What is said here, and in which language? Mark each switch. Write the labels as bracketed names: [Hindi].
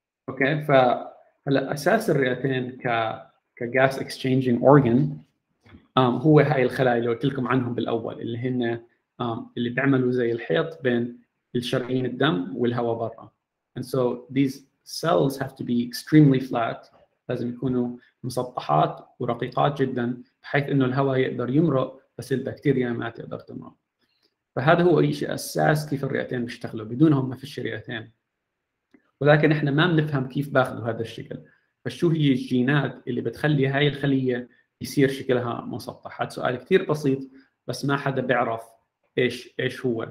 [Arabic] Okay, فالأساس الرئتين ك [English] gas exchanging organ [Arabic] هو هاي الخلايا اللي قلت لكم عنهم بالأول اللي هن اللي بيعملوا زي الحيط بين الشرايين الدم والهواء برا. [English] And so these cells have to be extremely flat. [Arabic] لازم يكونوا مسطحات ورقيقات جدا بحيث انه الهواء يقدر يمرق بس البكتيريا ما تقدر تمرق. فهذا هو شيء اساس كيف الرئتين بيشتغلوا, بدونهم ما فيش رئتين. ولكن احنا ما بنفهم كيف باخذوا هذا الشكل, فشو هي الجينات اللي بتخلي هاي الخليه يصير شكلها مسطح؟ هذا سؤال كثير بسيط بس ما حدا بيعرف ايش هو.